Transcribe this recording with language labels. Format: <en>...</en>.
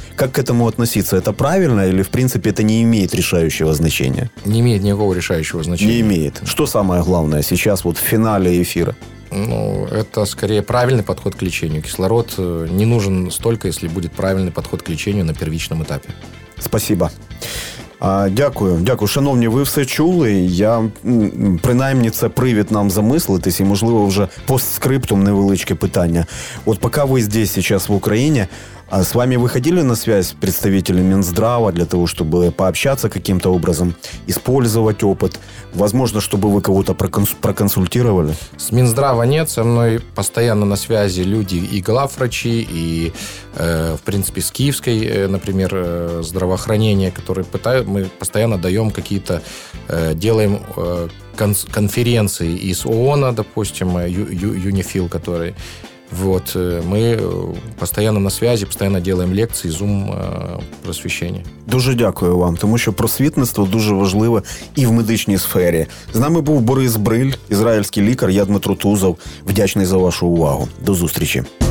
<ru>Как к этому относиться? Это правильно или, в принципе, это не имеет решающего значения? Не имеет никакого решающего значения. Не имеет. Что самое главное сейчас вот в финале эфира? Ну, это скорее правильный подход к лечению. Кислород не нужен столько, если будет правильный подход к лечению на первичном этапе. Спасибо.</ru> <uk>Дякую. Дякую. Шановні, ви все чули. Я, принаймні, це привід нам замислитись і, можливо, вже постскриптум невеличке питання. От поки ви</uk> <ru>здесь сейчас</ru> <uk>в Україні,</uk> <ru>А с вами выходили на связь представители Минздрава для того, чтобы пообщаться каким-то образом, использовать опыт? Возможно, чтобы вы кого-то проконсультировали? С Минздрава нет, со мной постоянно на связи люди и главврачи, и, в принципе, с Киевской, например, здравоохранение, которое пытают, мы постоянно даем какие-то, делаем конференции из ООНа, допустим, Юнифил, который... Вот, мы постоянно на связи, постоянно</ru> <uk>делаємо лекції, зум просвіщення. Дуже дякую вам, тому що просвітництво дуже важливе і в медичній сфері. З нами був Борис Бриль, ізраїльський лікар, я Дмитро Тузов. Вдячний за вашу увагу. До зустрічі.</uk>